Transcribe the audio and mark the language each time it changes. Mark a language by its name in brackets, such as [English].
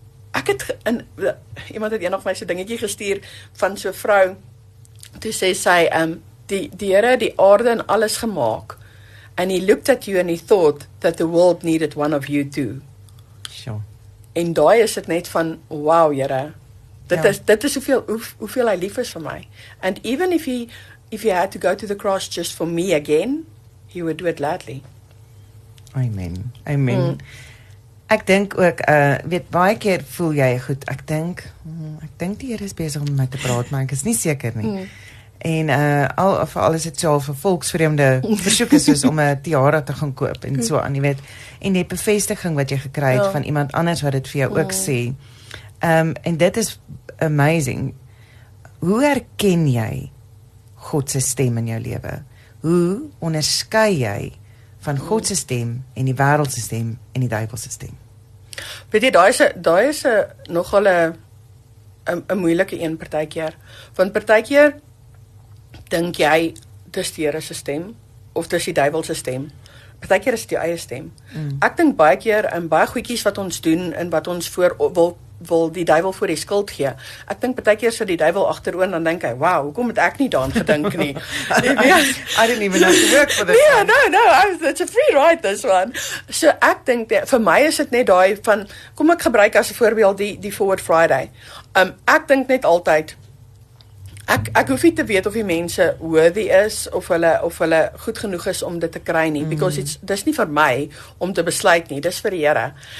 [Afrikaans] Ek het, en, iemand het een of my so dingetjie gestuur, van so vrou, toe sê sy, die Here die aarde en alles gemaak, [English] And he looked at you and he thought that the world needed one of you too. Sure. [Afrikaans] En daai is het net van, wow, Jere. Dit is hoeveel hy lief is vir my. [English] And even if he had to go to the cross just for me again, he would do it gladly. Amen. Mm. [Afrikaans] Ek dink ook, weet, baie keer voel jy goed. Ek dink die Here is besig om met te praat, maar ek is nie seker nie. Mm. En vooral is het so vir volksvreemde versoek is soos om 'n tiara te gaan koop en so aan, jy weet, en die bevestiging wat jy gekry het van iemand anders wat het vir jou ook sê. En dit is amazing. Hoe herken jy Godse stem in jou lewe? Hoe onderskei jy van Godse stem en die wêreldse stem en die duivelse stem? Weet jy, daai is nogal 'n moeilike een partykeer. Want partykeer dink jy dis die Here se stem of dis die duiwelse stem? Partykeer is dit jou eie stem. Mm. Ek dink baie keer in baie goedjies wat ons doen en wat ons wil die duiwel voor die skuld gee. Ek dink partykeer sit die duiwel agteroor en dan dink hy, "Wow, hoekom het ek nie daaraan gedink nie?" [English] I didn't even know to work for this. Yeah, no, it's a free ride this one. [Afrikaans] So ek dink vir my is dit net daai van kom ek gebruik as 'n voorbeeld die Forward Friday. Ek dink net altyd Ek hoef nie te weet of die mense worthy is of hulle goed genoeg is om dit te kry nie, because dis nie vir my om te besluit nie, dis vir die Here.